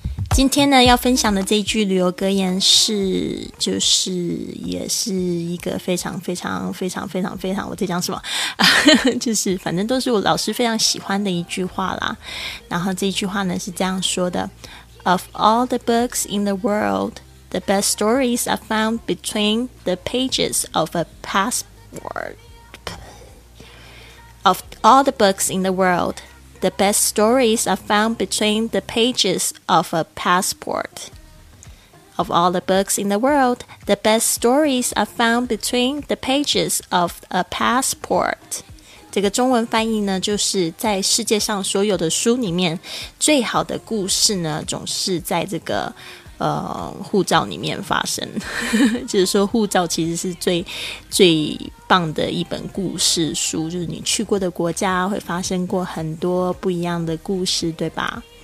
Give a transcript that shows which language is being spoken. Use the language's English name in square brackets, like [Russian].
[Chinese] 今天呢要分享的这一句旅游格言是，就是也是一个非常非常非常非常非常，我在讲什么就是反正都是我老师非常喜欢的一句话啦。然后这一句话呢是这样说的， [English] Of all the books in the world, the best stories are found between the pages of a passport. Of all the books in the worldThe best stories are found between the pages of a passport. Of all the books in the world, the best stories are found between the pages of a passport. [Chinese] 这个中文翻译呢，就是在世界上所有的书里面，最好的故事呢，总是在这个护照里面发生就是说护照其实是最棒的一本故事书，就是你去过的国家会发生过很多不一样的故事，对吧？